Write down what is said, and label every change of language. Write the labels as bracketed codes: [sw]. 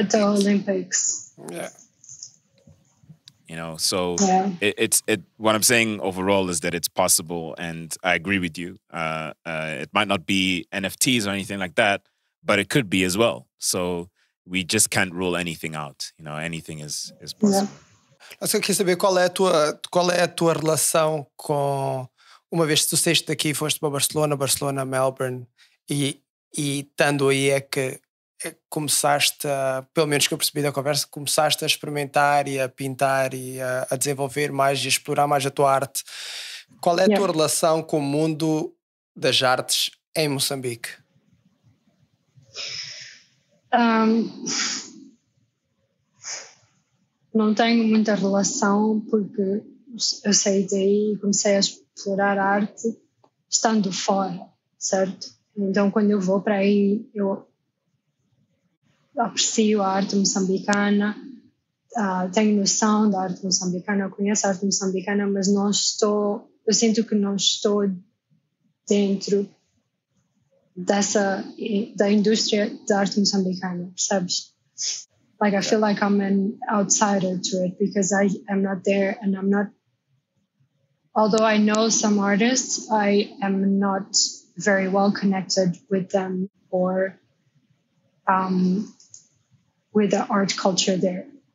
[en] at the Olympics. Yeah. You know, so yeah. It's what I'm saying overall is that it's possible, and I agree with you. It might not be NFTs or anything like that, but it could be as well. So we just can't rule anything out. You know, anything is possible. Yeah. [pt] Mas eu queria saber qual é a tua relação com, uma vez que tu saíste daqui e foste para Barcelona, Melbourne, e estando aí é que começaste, pelo menos que eu percebi da conversa, começaste a experimentar e a pintar e a desenvolver mais e a explorar mais a tua arte. Qual é a tua relação com o mundo das artes em Moçambique? Não tenho muita relação, porque eu saí daí e comecei a explorar arte estando fora, certo? Então, quando eu vou para aí, eu aprecio a arte moçambicana, tenho noção da arte moçambicana, conheço a arte moçambicana, mas não estou, eu sinto que não estou dentro da indústria da arte moçambicana, percebes? [en] Like, I feel like I'm an outsider to it because I am not there, and I'm not, although I know some artists, I am not very well connected with them or with the art culture there.